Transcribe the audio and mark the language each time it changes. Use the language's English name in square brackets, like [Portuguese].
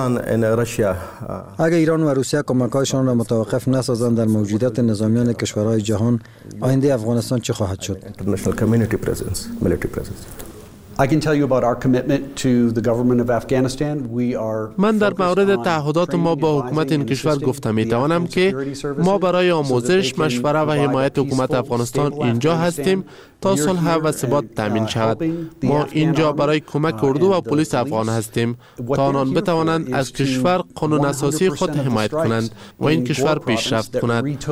[Persian] اگر ایران و روسیه کمک‌هایشان را متوقف نسازند، در موجودیت نظامیان کشورهای جهان آینده افغانستان چه خواهد شد؟ [English] I can tell you about our commitment to the government of Afghanistan. We are [Persian] من در مورد تعهدات ما با حکومت این کشور گفتم می توانم که ما برای آموزش، مشوره و حمایت حکومت افغانستان اینجا هستیم تا صلح و ثبات تامین شود. ما اینجا برای کمک اردو و پلیس افغان هستیم تا آنان بتوانند از کشور قانون اساسی خود حمایت کنند و این کشور پیشرفت کند.